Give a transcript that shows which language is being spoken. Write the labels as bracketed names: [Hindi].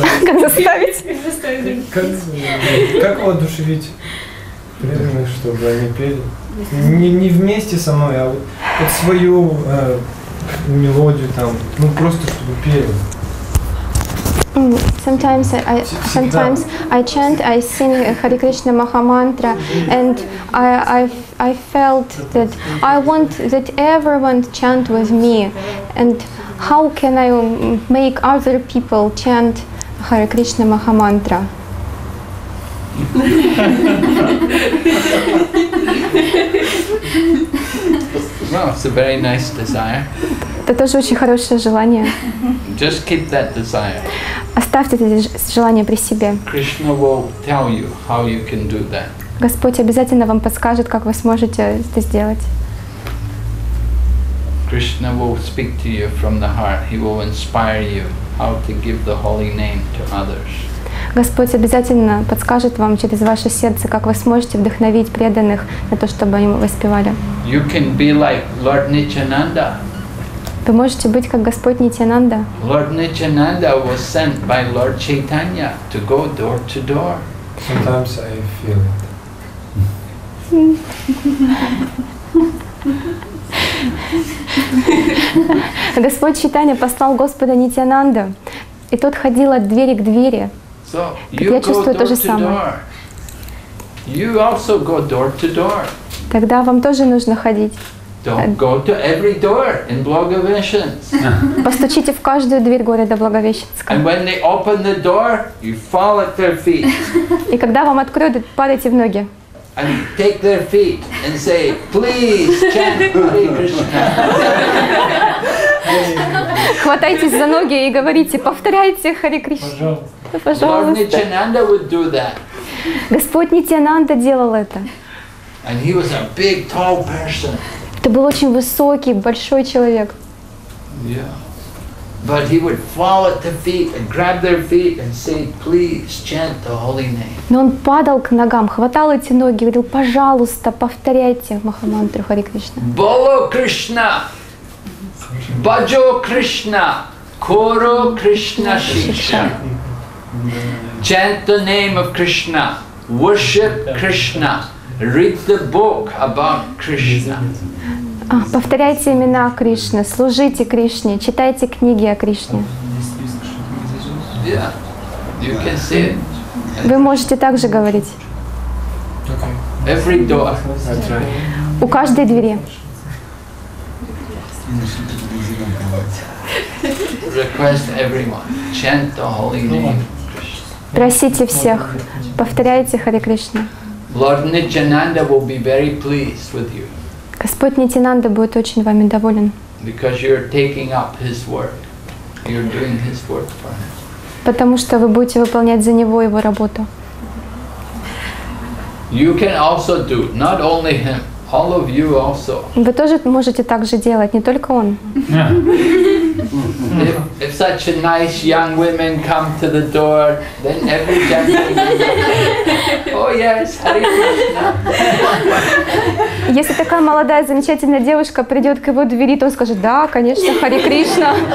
[Russian] Как заставить? Как воодушевить преданных, чтобы они пели? Не вместе со мной, а вот свою мелодию там. Ну просто чтобы пели. [English] Sometimes I chant, I sing Hare Krishna Maha Mantra, and I felt that I want that everyone chant with me. And how can I make other people chant Hare Krishna Maha Mantra? Well, it's a very nice desire. [Russian] Это тоже очень хорошее желание. [English] Just keep that desire. [Russian] Оставьте это желание при себе. [English] Krishna will tell you how you can do that. [Russian] Господь обязательно вам подскажет, как вы сможете это сделать. [English] Krishna will speak to you from the heart. He will inspire you how to give the holy name to others. [Russian] Господь обязательно подскажет вам через ваше сердце, как вы сможете вдохновить преданных на то, чтобы они воспевали. [English] You can be like Lord Nityananda. [Russian] Вы можете быть как Господь Нитянанда. [English] Lord Nityananda was sent by Lord Chaitanya to go door to door. Sometimes I feel it. [Russian] Господь Чайтанья послал Господа Нитянанда, и тот ходил от двери к двери. [English] So you go door to door. You also go door to door. [Russian] Тогда вам тоже нужно ходить. [English] Don't go to every door in Благовещенск. [Russian] Постучите в каждую дверь города Благовещенска. [English] And when they open the door, you fall at their feet. [Russian] И когда вам откроют, падайте в ноги. [English] And take their feet and say, please chant Hare Krishna. [Russian] Хватайтесь за ноги и говорите, повторяйте Хари Кришна. [English] Lord Nityananda would do that. [Russian] Господь Нитянанда делал это. [English] And he was a big, tall person. [Russian] Это был очень высокий, большой человек. [English] Yeah. But he would fall at their feet and grab their feet and say, please chant the holy name. [Russian] Но он падал к ногам, хватал эти ноги и говорил, пожалуйста, повторяйте Махамантру Хари Кришна. [Bangla] Боло Кришна! Bajo Krishna, Koro Krishna Shiksha. [English] Chant the name of Krishna, worship Krishna, read the book about Krishna. [Russian] Повторяйте имена Кришны, служите Кришне, читайте книги о Кришне. [English] Yeah, you can say it. [Russian] Вы можете также говорить. [English] Okay. Every door. [Russian] У каждой двери. [English] Request everyone. Chant the holy name. [Russian] Просите всех, повторяйте Харе Кришна. [English] Lord Nityananda will be very pleased with you. [Russian] Господь Нитинанда будет очень вами доволен. [English] Because you're taking up his work. You're doing his work for him. [Russian] Потому что вы будете выполнять за него его работу. [English] You can also do, not only him, all of you also. [Russian] Вы тоже можете так же делать, не только он. [English] If such a nice young woman come to the door, then every gentleman. Oh yes, Hare Krishna. [Russian] Если такая молодая замечательная девушка придет к его двери, то он скажет: да, конечно, Харе Кришна.